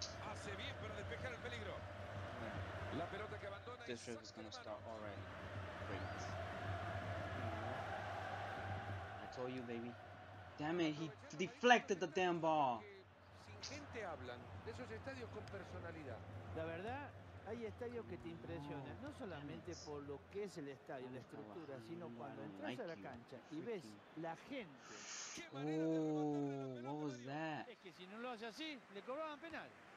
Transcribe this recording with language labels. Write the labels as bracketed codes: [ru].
[es] Hace bien para despejar el peligro. La pelota que abandona. [en] This trip is gonna start already. Great. I told you, baby. Damn it, he deflected the damn ball. [es] Sin gente hablan de esos estadios con personalidad. La verdad, hay estadios que te impresionan, no solamente por lo que es el estadio, la estructura, sino cuando entras a la cancha y ves la gente. [en] Oh, what was that? [es] Es que si no lo hace así, le cobraban penal.